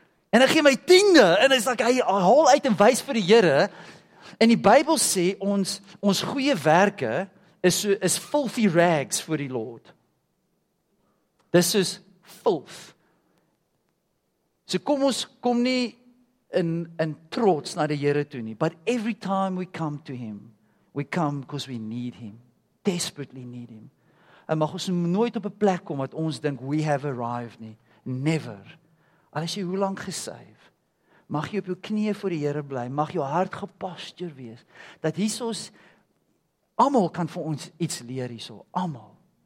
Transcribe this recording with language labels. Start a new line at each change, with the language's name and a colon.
Afrikaans: En ek gee my tiende, en is ek haal uit en wys vir die Here. En die Bybel sê, ons goeie werke is
English: filthy rags
Afrikaans: vir die Lord. Dis soos filth. So kom nie in trots na die Here toe nie.
English: But every time we come to Him, we come because we need Him. Desperately need Him.
Afrikaans: En mag ons nooit op 'n plek kom wat ons dink
English: we have arrived
Afrikaans: nie.
English: Never.
Afrikaans: Al is jy hoe lank gesuif, mag jy op jou knieë voor die Here bly, mag jou hart gepastureer wees, dat Jesus almal kan vir ons iets leer hierso, almal.